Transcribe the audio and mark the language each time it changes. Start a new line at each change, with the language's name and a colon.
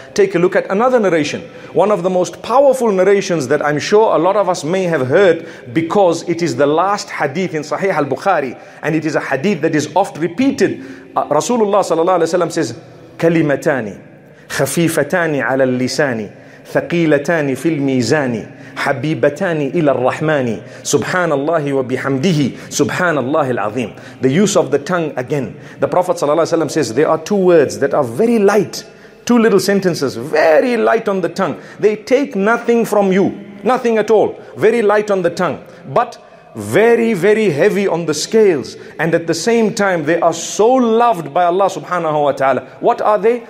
English: Take a look at another narration. One of the most powerful narrations that I'm sure a lot of us may have heard because it is the last hadith in Sahih al-Bukhari. And it is a hadith that is oft repeated. Rasulullah sallallahu alayhi wa sallam says,
Arabic: كَلِمَتَانِ خَفِيفَتَانِ عَلَى اللِّسَانِ ثقيلتان في الميزان، حبيبتان إلى الرحمن، سبحان الله وبحمده، سبحان الله العظيم.
English: The use of the tongue again. The Prophet صلى الله عليه وسلم says there are two words that are very light, two little sentences, very light on the tongue. They take nothing from you, nothing at all, very light on the tongue, but very, very heavy on the scales. And at the same time, they are so loved by Allah subhanahu wa ta'ala. What are they?